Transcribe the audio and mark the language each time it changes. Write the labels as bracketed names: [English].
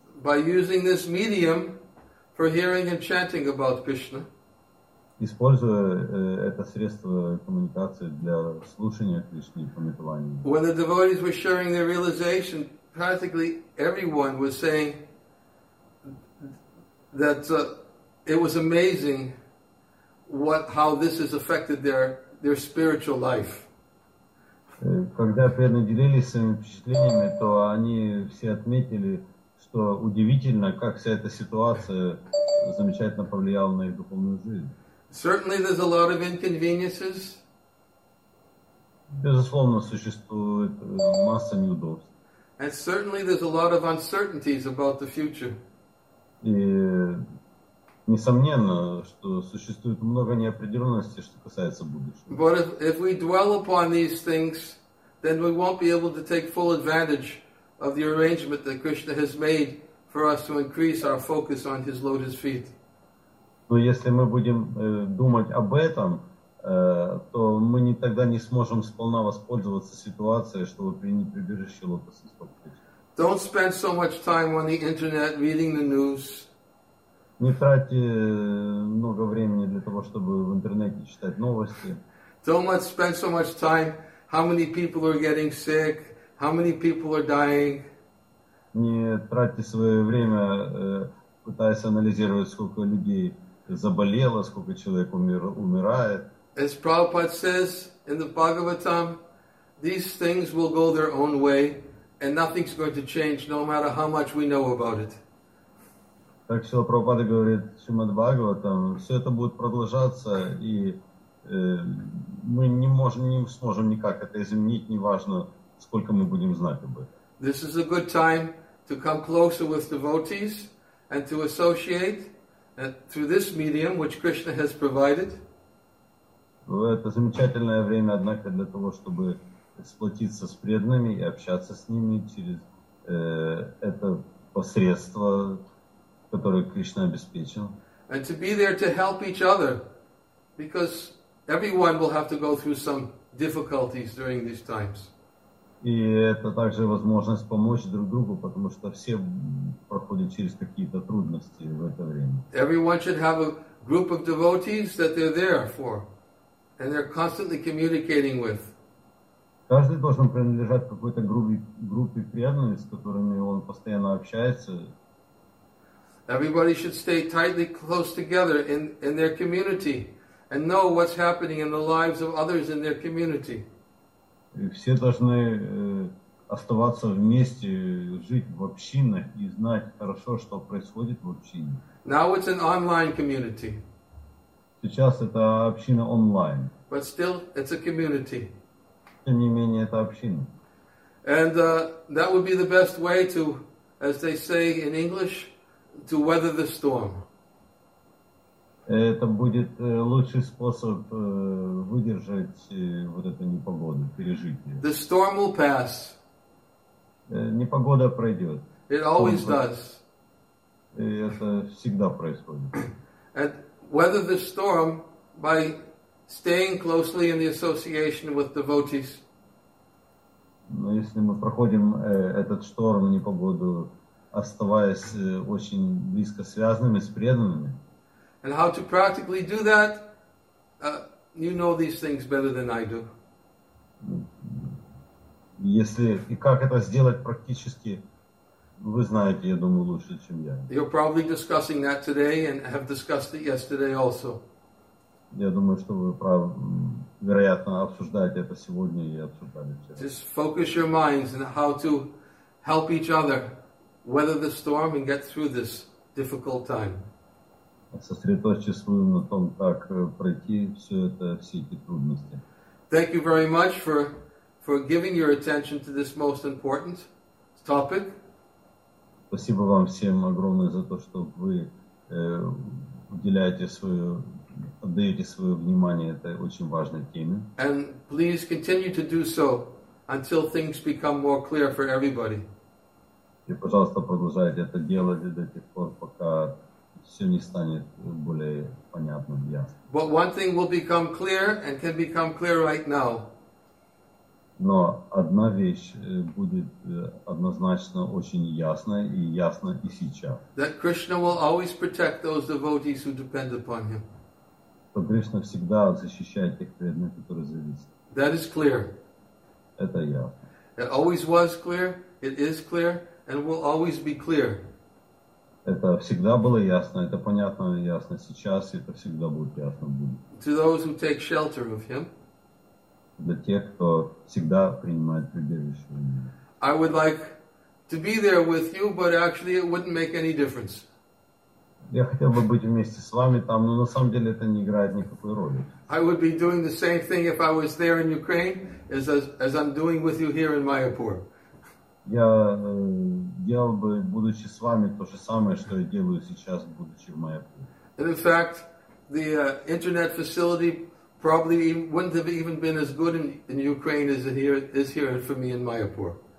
[English] By using this medium for hearing and chanting about Krishna. [Russian] Используя это средство коммуникации для слушания Кришны и памятования. [English] When the devotees were sharing their realization, practically everyone was saying that it was amazing how this has affected their spiritual life. [Russian] Когда преданные делились своими впечатлениями, то они все отметили, что удивительно, как вся эта ситуация замечательно повлияла на их духовную жизнь. [English] Certainly there's a lot of inconveniences. [Russian] Безусловно, существует масса неудобств. [English] And certainly there's a lot of uncertainties about the future. [Russian] И несомненно, что существует много неопределенности, что касается будущего. [English] But if we dwell upon these things, then we won't be able to take full advantage of the arrangement that Krishna has made for us to increase our focus on his lotus feet. [Russian] Но если мы будем думать об этом, то мы никогда не сможем сполна воспользоваться ситуацией, чтобы принять прибежище лотоса стоп. [English] Don't spend so much time on the internet reading the news. [Russian] Не тратьте много времени для того, чтобы в интернете читать новости. [English] Don't spend so much time how many people are getting sick, how many people are dying. [Russian] Не тратьте свое время, пытаясь анализировать, сколько людей заболело, сколько человек умирает. [English] As Prabhupada says in the Bhagavatam, these things will go their own way and nothing's going to change no matter how much we know about it. [Russian] Так что Прабхупада говорит в Шримад-Бхагаватам, все это будет продолжаться и мы не сможем никак это изменить, неважно, сколько мы будем знать об этом. [English] This is a good time to come closer with devotees and to associate through this medium which Krishna has provided. [Russian] Это замечательное время, однако, для того, чтобы сплотиться с преданными и общаться с ними через это посредство, которое Кришна обеспечил. [English] And to be there to help each other, because everyone will have to go through some difficulties during these times. [Russian] И это также возможность помочь друг другу, потому что все проходят через какие-то трудности в это время. [English] Everyone should have a group of devotees that they're there for, and they're constantly communicating with. [Russian] Каждый должен принадлежать какой-то группе преданных, с которыми он постоянно общается. [English] Everybody should stay tightly close together in their community and know what's happening in the lives of others in their community. [Russian] И все должны оставаться вместе, жить в общинах и знать хорошо, что происходит в общине. [English] Now it's an online community. [Russian] Сейчас это община онлайн. [English] But still, it's a community. [Russian] Тем не менее, это община. [English] And that would be the best way to, as they say in English, to weather the storm. [Russian] Это будет лучший способ выдержать вот эту непогоду, пережить ее. [English] The storm will pass. [Russian] Непогода пройдет. [English] It always does. [Russian] И это всегда происходит. [English] And weather the storm by staying closely in the association with devotees. [Russian] Но если мы проходим этот шторм, непогоду, оставаясь очень близко связанными с преданными. [English] And how to practically do that? You know these things better than I do. [Russian] Если и как это сделать практически, вы знаете, я думаю, лучше, чем я. [English] You're probably discussing that today and have discussed it yesterday also. [Russian] Я думаю, что вы вероятно обсуждаете это сегодня и обсуждали вчера. [English] Just focus your minds on how to help each other weather the storm and get through this difficult time. [Russian] Сосредоточиться на том, как пройти все это, все эти трудности. [English] Thank you very much for giving your attention to this most important topic. [Russian] Спасибо вам всем огромное за то, что вы уделяете свое, отдаете свое внимание этой очень важной теме. [English] And please continue to do so until things become more clear for everybody. [Russian] И, пожалуйста, продолжайте это делать до тех пор, пока все не станет более понятным, ясным. [English] But one thing will become clear and can become clear right now. [Russian] Но одна вещь будет однозначно очень ясной и ясна и сейчас. [English] That Krishna will always protect those devotees who depend upon him. [Russian] Что Кришна всегда защищает тех преданных, которые зависят. [English] That is clear. [Russian] Это ясно. [English] It always was clear, it is clear, and will always be clear. [Russian] Это всегда было ясно, это понятно и ясно сейчас, и это всегда будет ясно. [English] To those who take shelter of him. [Russian] Для тех, кто всегда принимает прибежище. [English] I would like to be there with you, but actually it wouldn't make any difference. [Russian] Я хотел бы быть вместе с вами там, но на самом деле это не играет никакой роли. [English] I would be doing the same thing if I was there in Ukraine as I'm doing with you here in Mayapur. [Russian] Я делал бы, будучи с вами, то же самое, что я делаю сейчас, будучи в Mayapur. [English] And in fact, the internet facility probably wouldn't have even been as good in Ukraine as it here is here for me in Mayapur.